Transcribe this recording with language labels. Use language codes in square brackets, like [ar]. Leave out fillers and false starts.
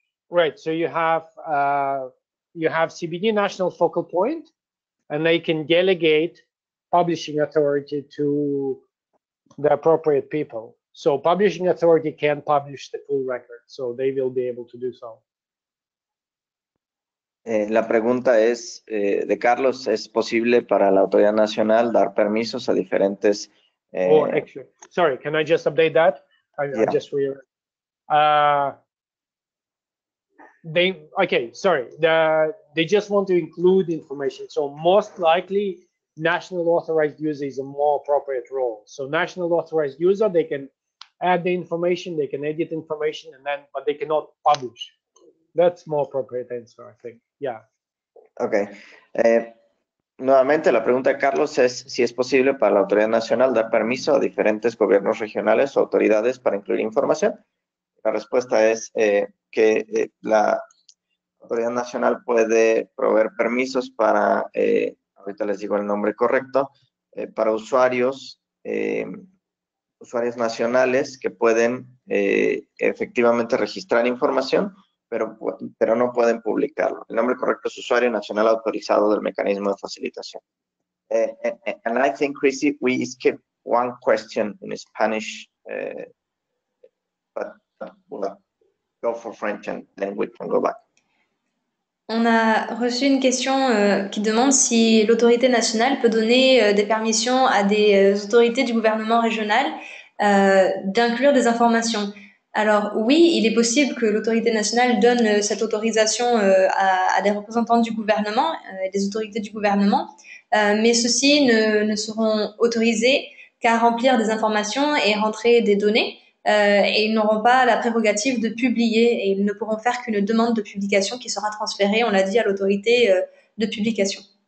[en] Right, so you have CBD national focal point, and they can delegate publishing authority to the appropriate people. So publishing authority can publish the full record, so they will be able to do so. [es] La pregunta es de Carlos, ¿es posible para la autoridad nacional dar permisos a diferentes? [en] Sorry, can I just update that? I just read. They just want to include information. So most likely national authorized user is a more appropriate role. So national authorized user, they can add the information, they can edit information, and then, but they cannot publish. That's more appropriate answer, I think. Yeah. Okay. [es] Nuevamente, la pregunta de Carlos es si es posible para la autoridad nacional dar permiso a diferentes gobiernos regionales o autoridades para incluir información. La respuesta es que la autoridad nacional puede proveer permisos para, ahorita les digo el nombre correcto, para usuarios, usuarios nacionales que pueden efectivamente registrar información, pero no pueden publicarlo. El nombre correcto es usuario nacional autorizado del mecanismo de facilitación. [en] And I think, Chrissy, we skip one question in Spanish, go for French and then we can go back. [fr] On a reçu une question qui demande si l'autorité nationale peut donner des permissions à des autorités du gouvernement régional d'inclure des informations. Alors oui, il est possible que l'autorité nationale donne cette autorisation à des représentants du gouvernement, des autorités du gouvernement, mais ceux-ci ne seront autorisés qu'à remplir des informations et rentrer des données, et ils n'auront pas la prérogative de publier, et ils ne pourront faire qu'une demande de publication qui sera transférée, on l'a dit, à l'autorité de publication.